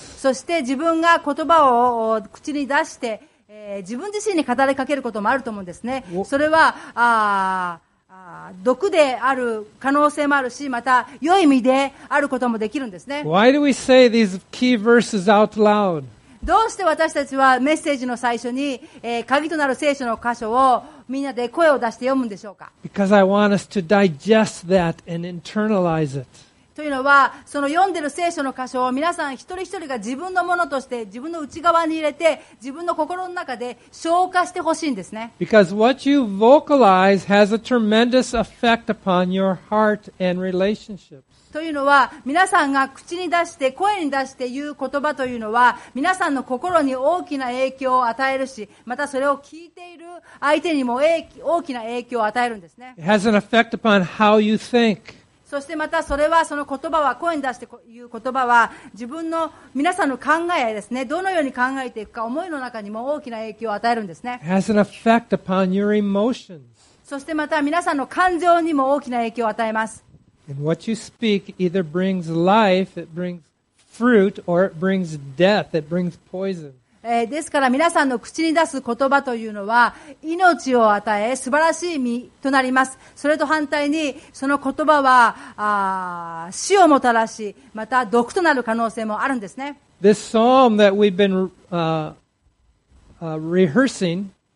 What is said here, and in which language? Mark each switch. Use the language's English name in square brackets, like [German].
[Japanese] そして自分が言葉を口に出して、自分自身に語りかけることもあると思うんですね。それは毒である可能性もあるし、また良い意味であることもできるんですね。 [English] Why do we say these key verses out loud? [Japanese] どうして私たちはメッセージの最初に、鍵となる聖書の箇所をみんなで声を出して読むんでしょうか。 [English] Because I want us to digest that and internalize it. [Japanese] というのはその読んでる聖書の箇所を皆さん一人一人が自分のものとして自分の内側に入れて自分の心の中で消化してほしいんですね。 [English] Because what you vocalize has a tremendous effect upon your heart and relationships. [Japanese] というのは皆さんが口に出して声に出して言う言葉というのは皆さんの心に大きな影響を与えるしまたそれを聞いている相手にも大きな影響を与えるんですね。 [English] It has an effect upon how you think. [Japanese] そしてまたそれはその言葉は声に出して言う言葉は自分の皆さんの考えですねどのように考えていくか思いの中にも大きな影響を与えるんですね。 [English] It has an effect upon your emotions. [Japanese] そしてまた皆さんの感情にも大きな影響を与えます。 [English] And what you speak either brings life, it brings fruit, or it brings death, it brings poison. [Japanese] ですから皆さんの口に出す言葉というのは命を与え素晴らしい実となります。それと反対にその言葉は死をもたらし、また毒となる可能性もあるんですね。 [English] This psalm that we've been rehearsing.